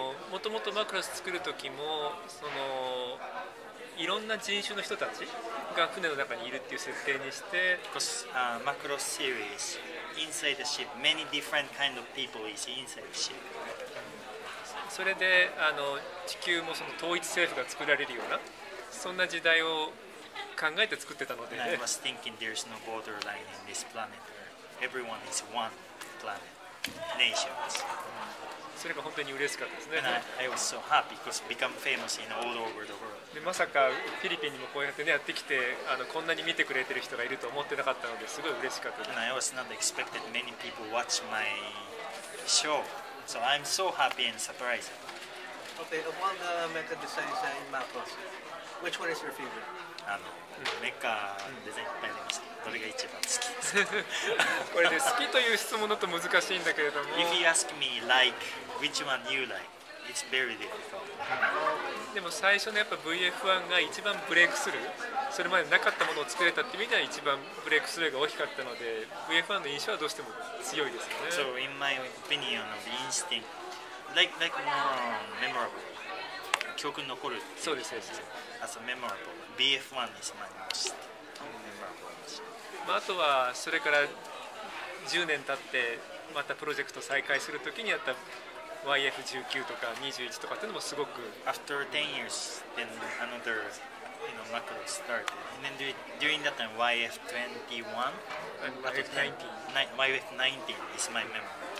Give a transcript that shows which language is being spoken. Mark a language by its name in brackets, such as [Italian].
[Japanese] もともとマクロス作る時もそのいろんな人種の人たちが船の中にいるっていう設定にして、マクロスシリーズ。 [English] Inside the ship, many different kind of people is inside the ship. [Japanese] それで地球もその統一政府が作られるようなそんな時代を考えて作ってたので。 [English] I was thinking there's no borderline in this planet. Everyone is one planet, nations. [Japanese] それが本当に嬉しかったですね。 [English] I was so happy because become famous in all over the world. [Japanese] でまさかフィリピンにもこうやってねやってきてこんなに見てくれてる人がいると思ってなかったのですごい嬉しかったです。 [English] And I was not expected many people watch my show, so I'm so happy and surprised. Okay, among the mecha designs in Macross, which one is your favorite? [Japanese] メカデザインいっぱいありますけど、どれが一番好きですか？これで好きという質問だと難しいんだけれども。 [English] If you ask me like which one you like, it's very difficult. [Japanese] でも最初のやっぱ VF1 が一番ブレイクスルー、それまでなかったものを作れたって意味では一番ブレイクスルーが大きかったので、VF1 の印象はどうしても強いですよね。 [English] So in my opinion of instinct, like more memorable. [Japanese] 記憶に残る。そうですそうです。 [English] As a memorable, BF1 is my most memorable. [Japanese] あとはそれから10年経ってまたプロジェクト再開するときにやった YF19 とか21とかっていうのもすごく。 [English] After 10 years, then another you know macro started. And then during that time, YF19 YF19 is my memorable.